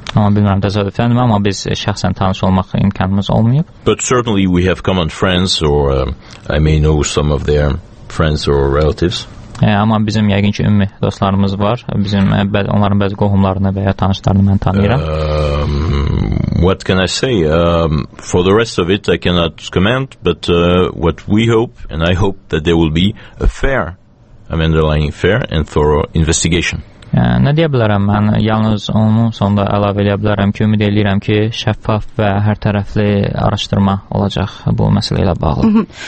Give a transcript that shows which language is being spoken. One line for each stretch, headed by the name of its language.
Azerbaijani: Amma bilmirəm, təsadüfən mi, amma biz şəxsən tanış olmaq imkanımız olmayıb.
English: But certainly we have common friends or I may know some of their friends or relatives.
Azerbaijani: Amma bizim yəqin ki ümumi dostlarımız var. Bizim onların bəzi qohumlarını və ya tanışlarını mən tanıyıram.
English: What can I say? For the rest of it, I cannot comment, but what we hope, and I hope that there will be a fair, I'm underlining fair and thorough investigation.
Azerbaijani: Nə deyə bilərəm, mən yalnız onu sonda əlavə edə bilərəm ki, ümid edirəm ki, şəffaf və hər tərəfli araşdırma olacaq bu məsələ ilə bağlı.